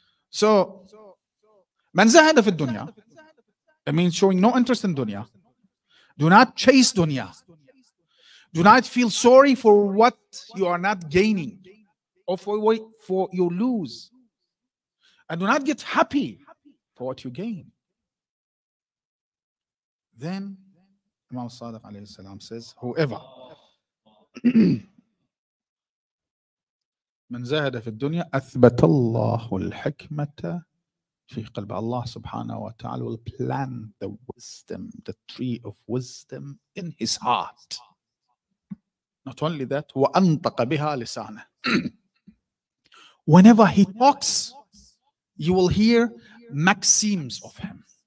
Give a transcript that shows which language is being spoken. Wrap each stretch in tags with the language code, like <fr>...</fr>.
<en>So, man zahada fi dunya, it means showing no interest in dunya. Do not chase dunya. Do not feel sorry for what you are not gaining or for your lose. And do not get happy for what you gain. Then Imam Sadiq alayhi salam says, whoever</en> <ar>من زاهد في الدنيا أثبت الله الحكمة في قلب.</ar> <en>Allah subhanahu wa ta'ala will plant the wisdom, the tree of wisdom in his heart. Not only that,</en> <ar>وَأَنْطَقَ بِهَا لِسَانَهُ.</ar> <en>Whenever he talks, you will hear maxims of him.</en>